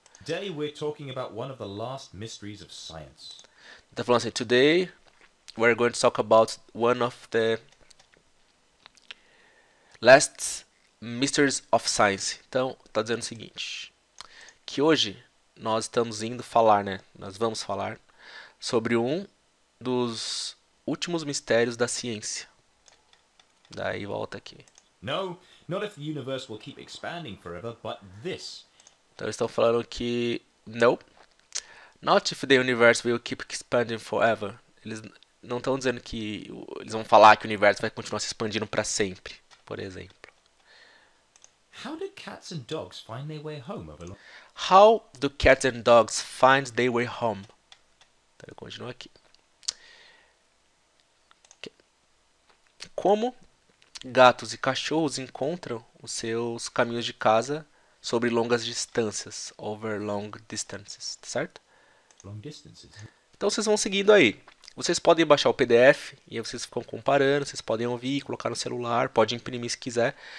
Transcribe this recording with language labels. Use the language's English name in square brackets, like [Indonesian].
[English] Today we're talking about one of the last mysteries of science. [Portuguese] Tá falando assim, [English] today we're going to talk about one of the last mysteries of science. [Portuguese] Então, tá dizendo o seguinte, que hoje nós estamos indo falar, né? Nós vamos falar sobre um dos últimos mistérios da ciência. Daí volta aqui. [English] No, not if the universe will keep expanding forever, but this. [Portuguese] Então, estão falando que, [English] not if the universe will keep expanding forever. [Portuguese] Eles não estão dizendo que, eles vão falar que o universo vai continuar se expandindo para sempre, por exemplo. [English] How do cats and dogs find their way home? How do cats and dogs find their way home? [Portuguese] Então, eu continuo aqui. Como gatos e cachorros encontram os seus caminhos de casa sobre longas distâncias, [English] over long distances, [Portuguese] certo? [English] Long distances. [Portuguese] Então vocês vão seguindo aí. Vocês podem baixar o PDF e aí vocês ficam comparando, vocês podem ouvir, colocar no celular, pode imprimir se quiser.